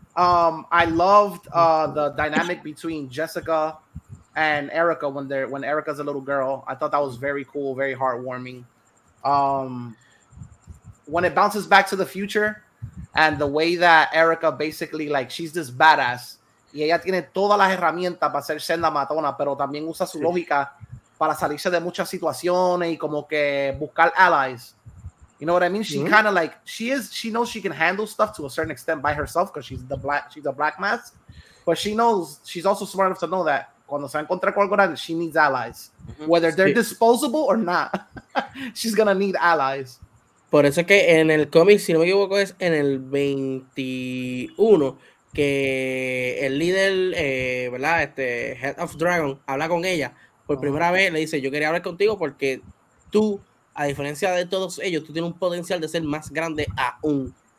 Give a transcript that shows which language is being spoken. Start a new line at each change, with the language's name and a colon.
English: I loved the dynamic between Jessica and Erica when Erica's a little girl. I thought that was very cool, very heartwarming. When it bounces back to the future and the way that Erica basically, like, she's this badass.
Spanish: Y ella tiene todas las herramientas para ser senda matona, pero también usa su lógica para salirse de muchas situaciones y como que buscar allies.
English: You know what I mean? She kind of like, she knows she can handle stuff to a certain extent by herself because she's a black mask. But she knows, she's also smart enough to know that
Spanish: cuando se va a encontrar con algo grande,
English: she needs allies. Mm-hmm. Whether they're disposable or not, she's going to need allies.
Spanish: Por eso es que en el cómic, si no me equivoco, es en el 21... que el líder, ¿verdad? Head of Dragon habla con ella por primera vez, le dice, yo quería hablar contigo porque tú, a diferencia de todos ellos, tú tienes un potencial de ser más grande aún.